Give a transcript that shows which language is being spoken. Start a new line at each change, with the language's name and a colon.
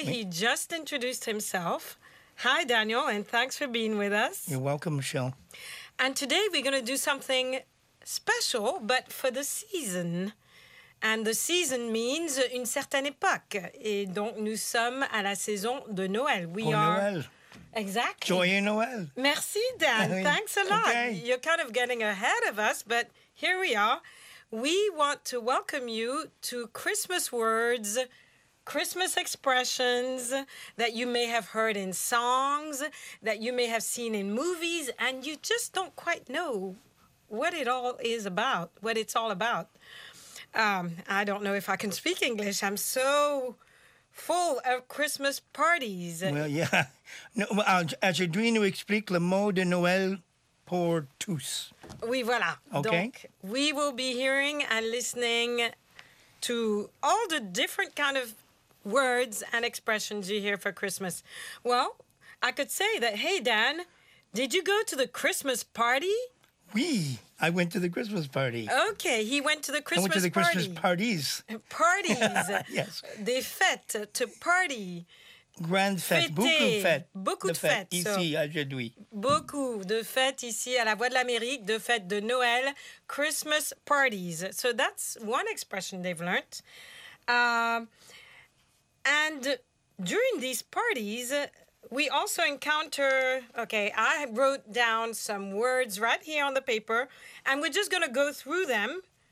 French: Oui.
English: He just introduced himself. Hi, Daniel, and thanks for being with us. You're welcome, Michel. And today we're going to do something special, but for the season. And the season means
French: une certaine époque. Et donc, nous sommes à la saison de Noël. Noël.
English: Exactly.
French: Joyeux Noël. Merci,
English: Dan. Thanks a lot. Okay. You're kind of getting ahead of us, but here we are. We want to welcome you to Christmas words, Christmas expressions that you may have heard in songs, that you may have seen in movies, and you just don't quite know what it all is about, what it's all about. I don't know if I can speak English. I'm so full of Christmas parties. Well, yeah.
French: No, aujourd'hui, nous explique le mot de Noël pour tous. Oui, voilà.
English: Okay.
French: Donc,
English: we will be hearing and listening to all the different kind of words and expressions you hear for Christmas. Well, I could say that, hey, Dan, did you go to the Christmas party?
French: Oui.
English: I went to the Christmas party. Okay, he went to the Christmas party. I went to the Christmas parties. Parties. Yes.
French: Des fêtes,
English: to party.
French: Grand fête, beaucoup de fêtes. Ici, aujourd'hui. Beaucoup de fêtes ici à la Voix de l'Amérique, de fêtes de Noël,
English: Christmas parties. So that's one expression they've learned. And during these parties, We also encounter, okay, I wrote down some words right here on the paper, and we're just going to go through them.